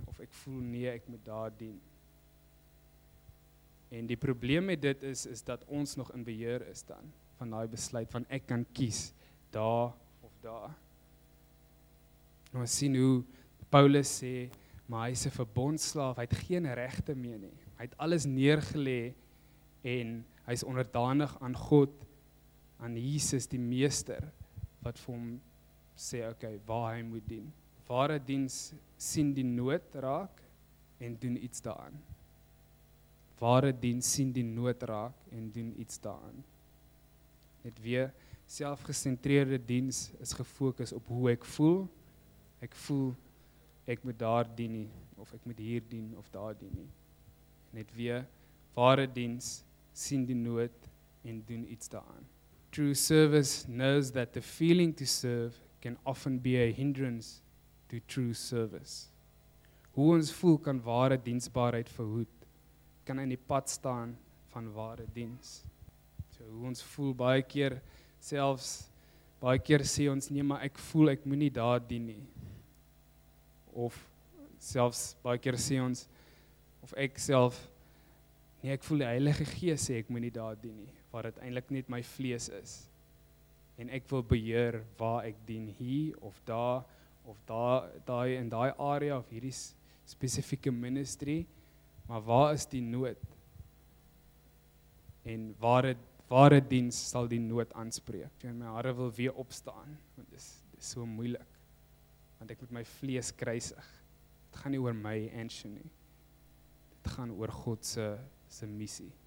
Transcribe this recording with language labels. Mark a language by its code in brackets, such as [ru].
[af] Of ek voel nee, ek moet daar dien. En die probleem met dit is dat ons nog in beheer is dan van daai besluit van ek kan kies daar of daar. Ons sien hoe Paulus sê, maar hy is 'n verbondslaaf, hy het geen regte meer nie. Hy het alles neergelê en hy is onderdanig aan God, aan Jesus die meester, wat vir hom sê, okay, waar hy moet dien. Ware diens sien die nood raak en doen iets daaraan. Ware diens sien die nood raak en doen iets daaraan. Net weer, selfgesentreerde diens is gefokus op hoe ek voel. Ek voel, ek moet daar dien nie, of ek moet hier dien, of daar dien nie. Net weer, ware diens, sien die nood, en doen iets daaraan. [en] True service knows that the feeling to serve can often be a hindrance to true service. [af] Hoe ons voel kan ware diensbaarheid verhoed, kan in die pad staan van ware diens. So hoe ons voel, baie keer sê ons nie, maar ek voel ek moet nie daar dien nie. Of selfs baie keer sê ons, of ek self, nee, ek voel die Heilige Gees sê ek moet nie daar dien nie, waar dit eintlik net my vlees is. En ek wil beheer waar ek dien, hier of daar, daai in daai area of hierdie spesifieke ministry, maar waar is die nood? En waar het ware diens sal die nood aanspreek. Jy my hare wil weer opstaan, want dit is so moeilik. Want ek moet my vlees kruisig. Dit gaan nie oor my ansie nie. Dit gaan oor God se missie.